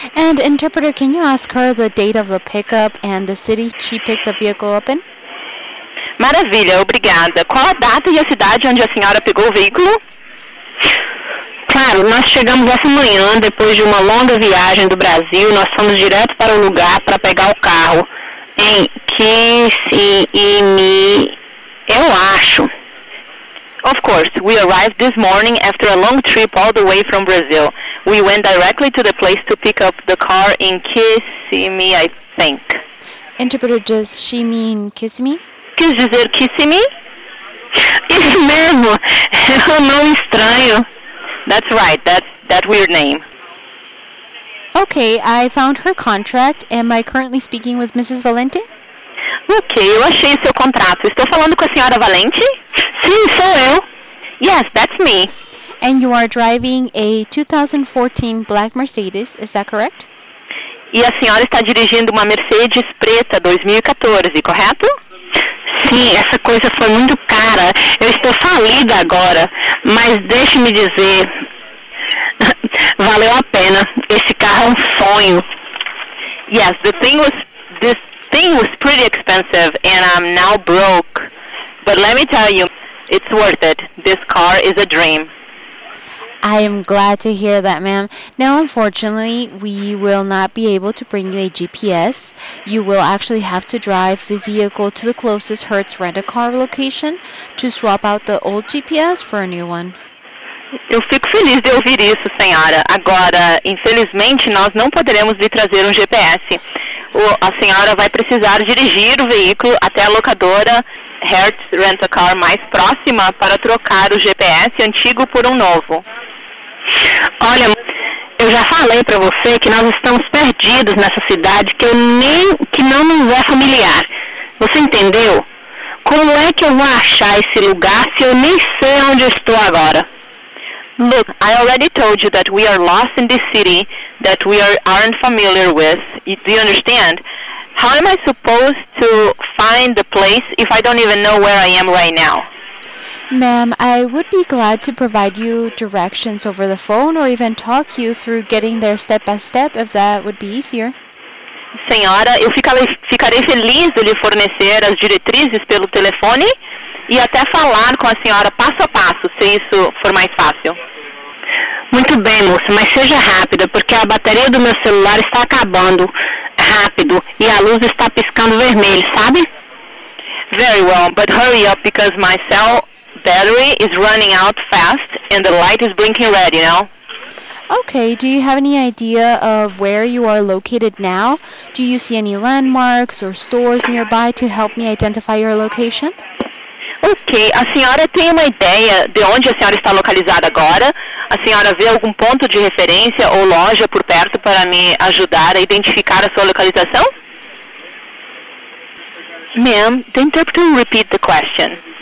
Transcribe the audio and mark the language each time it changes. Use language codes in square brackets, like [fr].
[en] And interpreter, can you ask her the date of the pickup and the city she picked the vehicle up in? [pt] Maravilha, obrigada. Qual a data e a cidade onde a senhora pegou o veículo? Claro, nós chegamos essa manhã, depois de uma longa viagem do Brasil, nós fomos direto para o lugar para pegar o carro. Em Kissimmee, eu acho. [en] Of course, we arrived this morning after a long trip all the way from Brazil. We went directly to the place to pick up the car in Kissimmee, I think. Interpreter, does she mean Kissimmee? [pt] Quis dizer Kissimmee? Isso mesmo! É um nome estranho. [en] That's right, that weird name. Okay, I found her contract. Am I currently speaking with Mrs. Valente? [pt] Okay, eu achei seu contrato. Estou falando com a senhora Valente? Sim, sou eu. [en] Yes, that's me. And you are driving a 2014 black Mercedes, is that correct? [pt] E a senhora está dirigindo uma Mercedes preta 2014, correto? Sim, essa coisa foi muito cara. Eu estou falida agora. Mas deixe-me dizer, valeu a pena. Esse carro é um sonho. [en] Yes, this thing was pretty expensive and I'm now broke. But let me tell you, it's worth it. This car is a dream. I am glad to hear that, ma'am. Now, unfortunately, we will not be able to bring you a GPS. You will actually have to drive the vehicle to the closest Hertz Rent-A-Car location to swap out the old GPS for a new one. [pt] Eu fico feliz de ouvir isso, senhora. Agora, infelizmente, nós não poderemos lhe trazer um GPS. a senhora vai precisar dirigir o veículo até a locadora Hertz Rent-A-Car mais próxima para trocar o GPS antigo por um novo. Olha, eu já falei para você que nós estamos perdidos nessa cidade que não nos é familiar. Você entendeu? Como é que eu vou achar esse lugar se eu nem sei onde eu estou agora? [en] Look, I already told you that we are lost in this city that we aren't familiar with. Do you understand? How am I supposed to find the place if I don't even know where I am right now? Ma'am, I would be glad to provide you directions over the phone or even talk you through getting there step by step if that would be easier. [pt] Senhora, eu ficarei feliz de lhe fornecer as diretrizes pelo telefone e até falar com a senhora passo a passo, se isso for mais fácil. Muito bem, moça, mas seja rápida, porque a bateria do meu celular está acabando rápido e a luz está piscando vermelho, sabe? [en] Very well, but hurry up, because my cell battery is running out fast and the light is blinking red, you know? Okay, do you have any idea of where you are located now? Do you see any landmarks or stores nearby to help me identify your location? [pt] Ok, a senhora tem uma ideia de onde a senhora está localizada agora? A senhora vê algum ponto de referência ou loja por perto para me ajudar a identificar a sua localização? [en] Ma'am, the interpreter will repeat the question.